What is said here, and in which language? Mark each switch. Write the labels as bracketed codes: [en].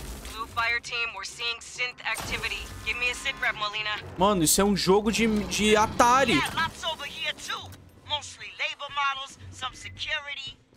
[en] Blue Fire Team, we're seeing synth activity. Give me a sit rep, Molina. [pt] Mano, isso é um jogo de Atari. [en] Yeah, lots over here too. Mostly labor models, some security.